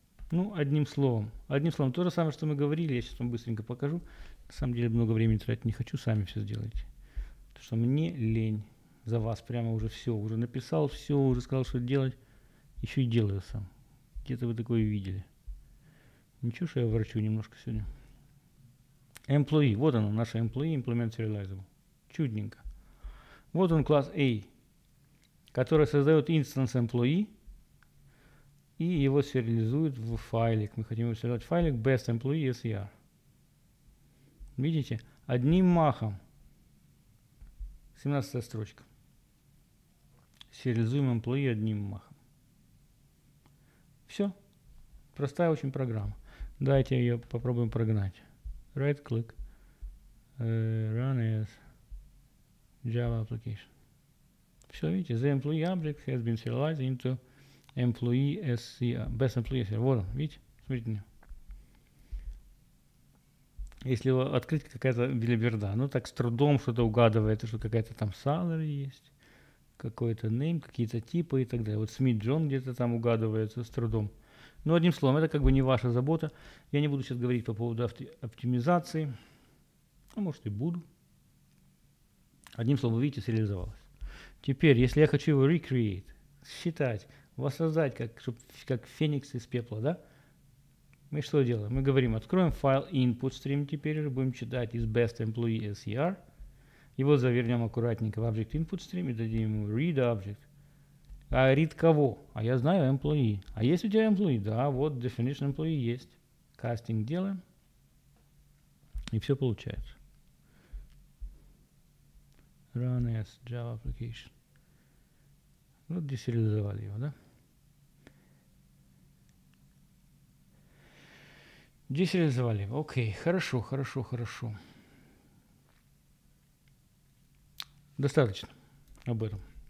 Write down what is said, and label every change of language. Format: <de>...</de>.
<ru>Ну, одним словом, то же самое, что мы говорили, я сейчас вам быстренько покажу. На самом деле, много времени тратить не хочу, сами все сделайте. Потому что мне лень за вас прямо уже все, уже написал все, уже сказал, что делать, еще и делаю сам. Где-то вы такое видели. Ничего, что я ворчу немножко сегодня. Employee, вот оно, наше employee, implement serializable. Чудненько. Вот он, класс A, который создает instance employee, и его сериализуют в файлик. Мы хотим его сериализовать в файлик best-employee.sr. Видите? Одним махом. 17-я строчка. Сериализуем employee одним махом. Все. Простая очень программа. Давайте ее попробуем прогнать.</ru> <en>Right-click. Run as Java application.</en> <ru>Все, видите?</ru> <en>The employee object has been serialized into employee SCR, best employee SCR.</en> <ru>Вот он, видите? Смотрите на него. Если его открыть, какая-то билиберда. Ну, так с трудом что-то угадывает, что какая-то там salary есть, какой-то name, какие-то типы и так далее. Вот Смит Джон где-то там угадывается с трудом. Но одним словом, это как бы не ваша забота. Я не буду сейчас говорить по поводу оптимизации. А может и буду. Одним словом, вы видите, сериализовалось. Теперь, если я хочу его recreate, считать, воссоздать, как феникс из пепла, да? Мы что делаем? Мы говорим, откроем файл input stream, теперь же будем читать из best employee SCR. Его завернем аккуратненько в object input stream и дадим ему read object. А read кого? А я знаю employee. А есть у тебя employee? Да, вот definition employee есть. Casting делаем. И все получается.</ru> <en>Run as Java application.</en> <ru>Вот десериализовали его, да? Десериализовали его. Окей, хорошо. Достаточно об этом.</ru>